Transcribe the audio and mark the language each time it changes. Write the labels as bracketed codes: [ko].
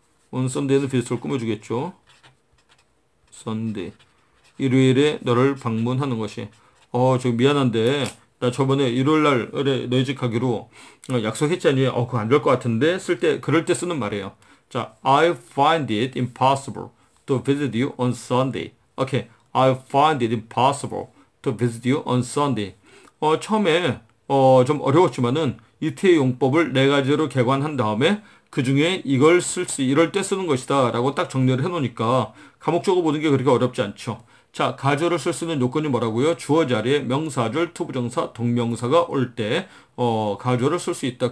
[ko] 온 썬데이는 비스트를 꾸며주겠죠. 썬데이. 일요일에 너를 방문하는 것이. 저 미안한데, 나 저번에 일요일 날 너희 집 가기로 약속했잖니. 그거 안될것 같은데? 그럴 때 쓰는 말이에요. [en] 자, I find it impossible to visit you on Sunday. Okay, I find it impossible to visit you on Sunday. [ko] 처음에 좀 어려웠지만은 이태희 용법을 네 가지로 개관한 다음에 그중에 이걸 쓸수 이럴 때 쓰는 것이다 라고 딱 정리를 해놓으니까 감옥적으로 보는 게 그렇게 어렵지 않죠. 자, 가절을 쓸수 있는 요건이 뭐라고요? 주어 자리에 명사절, 투부정사, 동명사가 올 때, 가절을 쓸수 있다.